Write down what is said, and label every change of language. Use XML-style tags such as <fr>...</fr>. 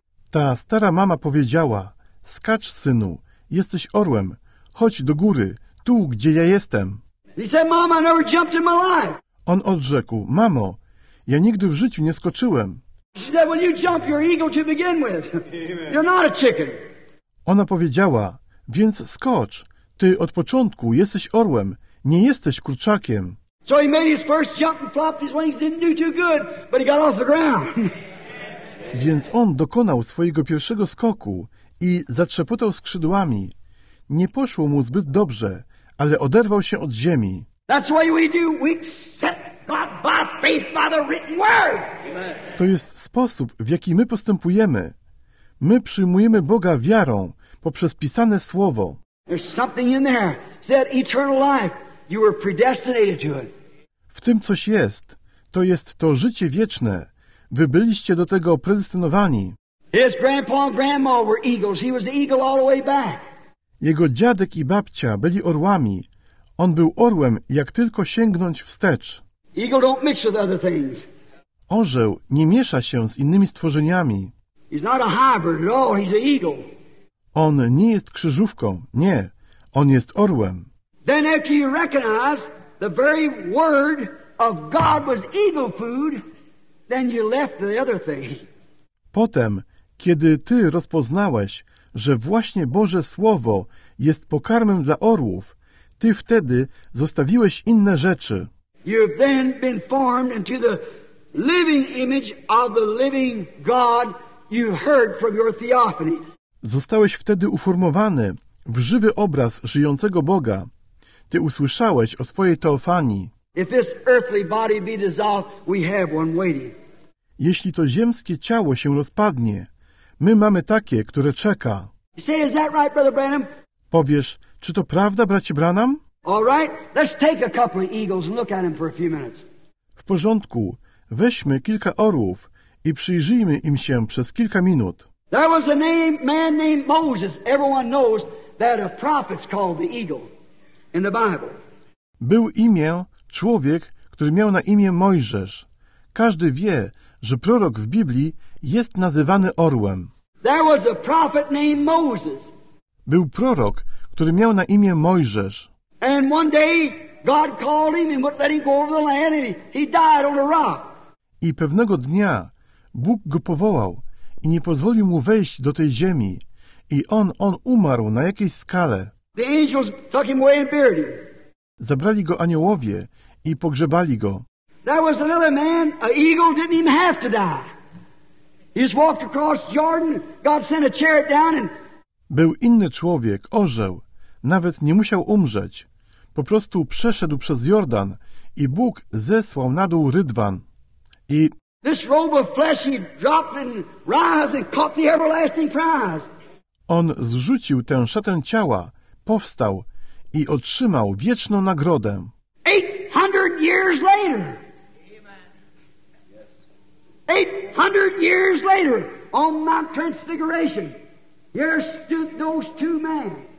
<pl>Ta stara mama powiedziała, skacz, synu, jesteś orłem, chodź do góry, tu, gdzie ja jestem.</pl> <en>He said, Mom, I never jumped in my life.</en> <pl>On odrzekł, mamo, ja nigdy w życiu nie skoczyłem.</pl> <en>She said, well, you jump, you're eagle to begin with. You're not a chicken.</en> <pl>Ona powiedziała, więc skocz, ty od początku jesteś orłem, nie jesteś kurczakiem.</pl> <en>So he made his first jump and flopped his wings, didn't do too good, but he got off the ground.</en> <pl>Więc on dokonał swojego pierwszego skoku i zatrzepotał skrzydłami. Nie poszło mu zbyt dobrze, ale oderwał się od ziemi.</pl> <en>That's why we do. We accept God by faith by the written word.</en> <pl>To jest sposób, w jaki my postępujemy. My przyjmujemy Boga wiarą poprzez pisane słowo.</pl> <en>There's something in there. It's that eternal life. You were predestinated to it.</en> <pl>W tym coś jest. To jest to życie wieczne. Wy byliście do tego predestynowani.</pl> <en>His grandpa and grandma were eagles. He was an eagle all the way back.</en> <pl>Jego dziadek i babcia byli orłami. On był orłem, jak tylko sięgnąć wstecz.</pl> <en>Eagle don't mix with other things.</en> <pl>Orzeł nie miesza się z innymi stworzeniami.</pl> <en>He's not a hybrid at all. He's an eagle.</en> <pl>On nie jest krzyżówką. Nie. On jest orłem.</pl> <en>Then after you recognize the very word of God was eagle food, then you left the other thing.</en> <pl>Potem, kiedy ty rozpoznałeś, że właśnie Boże Słowo jest pokarmem dla orłów, ty wtedy zostawiłeś inne rzeczy.</pl> <en>You've then been formed into the living image of the living God you heard from your theophany.</en> <pl>Zostałeś wtedy uformowany w żywy obraz żyjącego Boga. Ty usłyszałeś o swojej teofanii.</pl> <en>If this earthly body be dissolved, we have one waiting.</en> <pl>Jeśli to ziemskie ciało się rozpadnie, my mamy takie, które czeka.</pl> <en>Say, is that right, Brother Branham?</en> <pl>Powiesz, czy to prawda, bracie Branham?</pl> <en>All right, let's take a couple of eagles and look at them for a few minutes.</en> <pl>W porządku, weźmy kilka orłów i przyjrzyjmy im się przez kilka minut.</pl> <en>There was a name, man named Moses. Everyone knows that a prophet's called the eagle in the Bible.</en> <pl>Był imię człowiek, który miał na imię Mojżesz. Każdy wie, że prorok w Biblii jest nazywany orłem.</pl> <en>There was a prophet named Moses.</en> <pl>Był prorok, który miał na imię Mojżesz.</pl> <en>And one day God called him and let him go over the land and he died on a rock.</en> <pl>I pewnego dnia Bóg go powołał i nie pozwolił mu wejść do tej ziemi i on umarł na jakiejś skale.</pl> <en>The angels took him away and buried him.</en> <pl>Zabrali go aniołowie i pogrzebali go.</pl> <en>There was another man, an eagle, didn't even have to die. He just walked across Jordan, God sent a chariot down and...</en> <pl>Był inny człowiek, orzeł. Nawet nie musiał umrzeć. Po prostu przeszedł przez Jordan i Bóg zesłał na dół rydwan. I...</pl> <en>This robe of flesh he dropped and rise and caught the everlasting prize.</en> <pl>On zrzucił tę szatę ciała, powstał i otrzymał wieczną nagrodę.</pl> <en>800 years later. 800 years later, on Mount Transfiguration, here stood those two men.</en>